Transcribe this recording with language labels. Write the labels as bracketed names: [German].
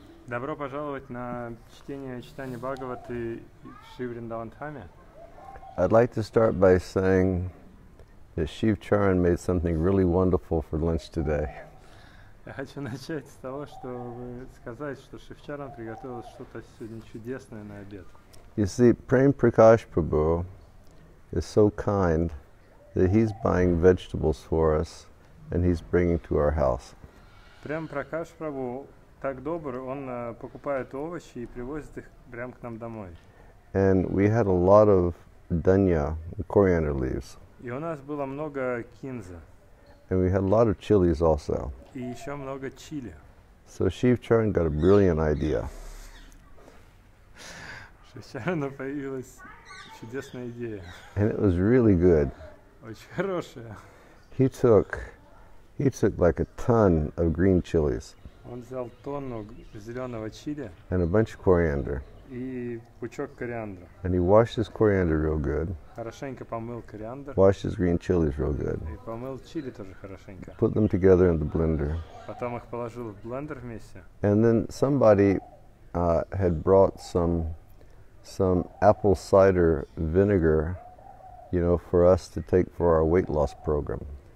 [Russian] Добро пожаловать на чтение Читания Бхагаваты Шри Вриндаван Дхаме. [English] I'd like to start by saying that Shiv Charan made something really wonderful for lunch today. [Russian] Я хочу начать с того, чтобы сказать, что Шив Чаран приготовил что-то сегодня чудесное на обед. [English] You see, Prem Prakash Prabhu is so kind that he's buying vegetables for us and he's bringing to our house. [Russian] Prem Prakash Prabhu так добр, он покупает овощи и привозит их прямо к нам домой. [English] And we had a lot of dhania, coriander leaves. [Russian] И у нас было много кинзы. [English] And we had a lot of chilies also. [Russian] И еще много чили. [English] So Shiv Charan got a brilliant idea. [Russian] Шивчарана появилась чудесная идея. [English] And it was really good. [Russian] Очень хорошая. [English] He took like a ton of green chilies. [Russian] Он взял тонну зеленого чили. [English] And a bunch of coriander. [Russian] И пучок кориандра. [English] And he washed his coriander real good. [Russian] Хорошенько помыл кориандр. [English] Washed his green chilies real good. [Russian] И помыл чили тоже хорошенько. [English] Put them together in the blender. [Russian] Потом их положил в блендер вместе. [English] And then somebody had brought some apple cider vinegar, you know, for us to take for our weight loss program.